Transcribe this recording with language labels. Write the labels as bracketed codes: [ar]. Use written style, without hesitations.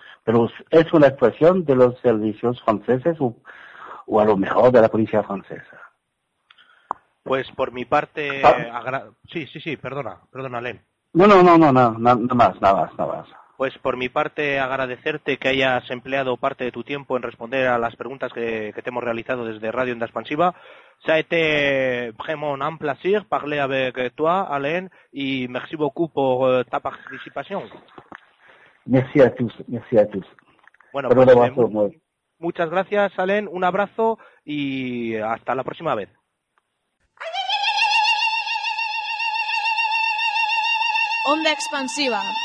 [es] Pero es una actuación de los servicios franceses o a lo mejor de la policía francesa. Pues por mi parte, perdona, Len. No, nada más. Pues por mi parte agradecerte que hayas empleado parte de tu tiempo en responder a las preguntas que te hemos realizado desde Radio Onda Expansiva. [fr] Ça a été vraiment un plaisir parler avec toi, Alain, y merci beaucoup pour ta participation. Merci a tous. [es] Bueno, pues, muchas gracias, Alain, un abrazo y hasta la próxima vez. Onda Expansiva.